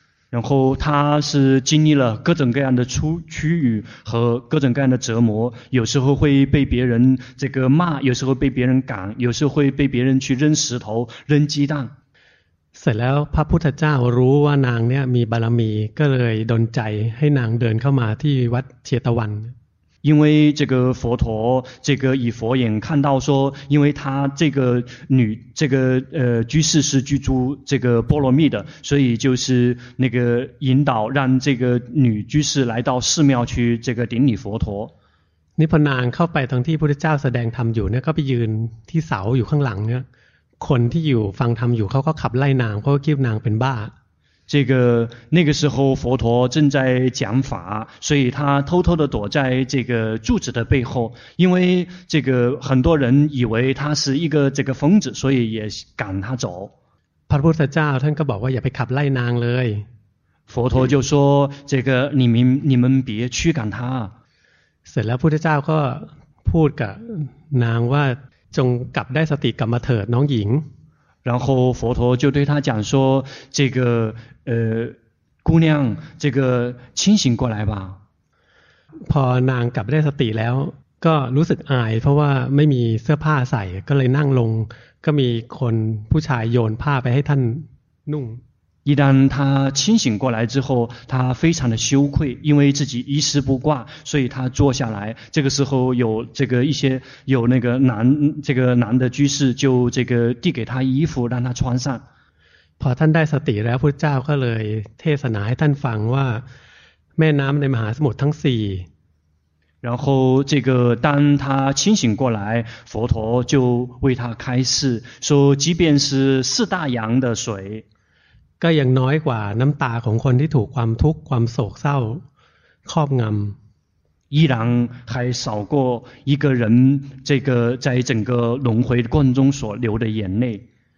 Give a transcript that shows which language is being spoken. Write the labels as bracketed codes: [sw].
[zh] 然后他是经历了各种各样的屈辱和各种各样的折磨，有时候会被别人这个骂，有时候被别人赶，有时候会被别人去扔石头、扔鸡蛋。 [th] เสร็จแล้วพระพุทธเจ้ารู้ว่านางเนี่ยมีบารมีก็เลยดลใจให้นางเดินเข้ามาที่วัดเชตวัน [zh] 因为这个佛陀这个以佛眼看到说因为他这个女这个居士是居住这个波罗蜜的所以就是那个引导让这个女居士来到寺庙去这个顶礼佛陀 [th] นี่พอนางเข้าไปตรงที่พุทธเจ้าแสดงธรรมอยู่เนี่ยก็ไปยืนที่เสาอยู่ข้างหลังเนี่ยคนที่อยู่ฟังธรรมอยู่เขาก็ขับไล่นางเขาก็คิดนางเป็นบ้า [zh] 这个那个时候佛陀正在讲法所以他偷偷的躲在这个柱子的背后因为这个很多人以为他是一个这个疯子所以也赶他走 [th] พระพุทธเจ้าท่านก็บอกว่าอย่าไปขับไล่นางเลย [zh] 佛陀就说这个你们别驱赶他 [th] เสร็จแล้วพุทธเจ้าก็พูดกับนางว่าจงกลับได้สติกลับมาเถิดน้องหญิง [zh] 然后佛陀就对他讲说这个姑娘这个清醒过来吧 [th] พอนางกลับได้สติแล้วก็รู้สึกอายเพราะว่าไม่มีเสื้อผ้าใส่ก็เลยนั่งลงก็มีคนผู้ชายโยนผ้าไปให้ท่านนุ่ง [zh] 一旦他清醒过来之后他非常的羞愧因为自己一丝不挂所以他坐下来这个时候有这个一些有那个男这个男的居士就这个递给他衣服让他穿上 [th] พอท่านได้สติแล้วพุทธเจ้าก็เลยเทศนาให้ท่านฟังว่าแม่น้ำในมหาสมุทรทั้งสี่ [zh] 然后这个当他清醒过来佛陀就为他开示说即便是四大洋的水 [th] ก็ยังน้อยกว่าน้ำตาของคนที่ถูกความทุกข์ความโศกเศร้าครอบงำ [zh] 依然还少过一个人这个在整个轮回过程中所流的眼泪。